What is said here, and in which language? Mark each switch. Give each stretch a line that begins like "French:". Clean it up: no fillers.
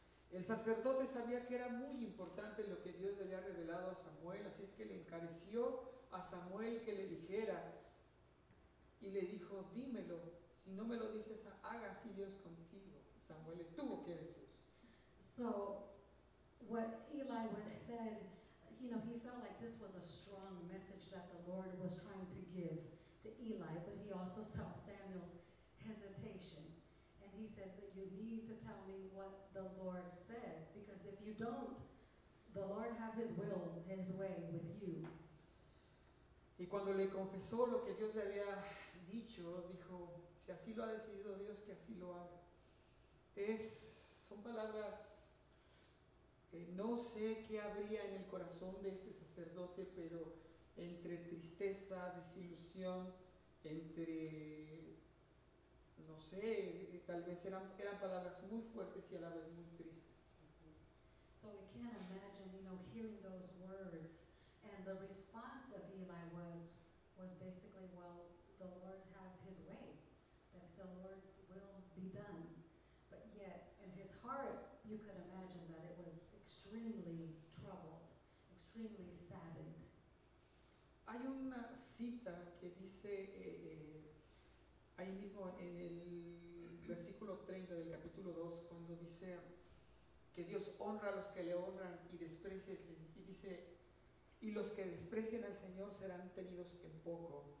Spanish: El sacerdote sabía que era muy importante lo que Dios le había revelado a Samuel, así es que le encareció a Samuel que le dijera, y le dijo, dímelo, si no me lo dices, haga así Dios contigo. Samuel le tuvo que decir.
English: So, what Eli would have said, you know, he felt like this was a strong message that the Lord was trying to give to Eli, but he also saw Samuel's hesitation, and he said, but you need to tell me what the Lord says, because if you don't, the Lord have his will and his way with you.
Spanish: Y cuando le confesó lo que Dios le había dicho, dijo, si así lo ha decidido Dios, que así lo haga. Son palabras, no sé qué habría en el corazón de este sacerdote, pero entre tristeza, desilusión, entre, no sé, tal vez eran palabras muy fuertes y a la vez muy tristes.
English: So we can't imagine, you know, hearing those words, and the response of Eli was basically, well, the Lord have his way, that the Lord's will be done. But yet, in his heart, you could imagine that it was extremely troubled, extremely saddened.
Spanish: Hay una cita que dice ahí mismo en el versículo 30 del capítulo 2, cuando dice que Dios honra a los que le honran y desprecia al Señor, y dice, y los que desprecian al Señor serán tenidos en poco.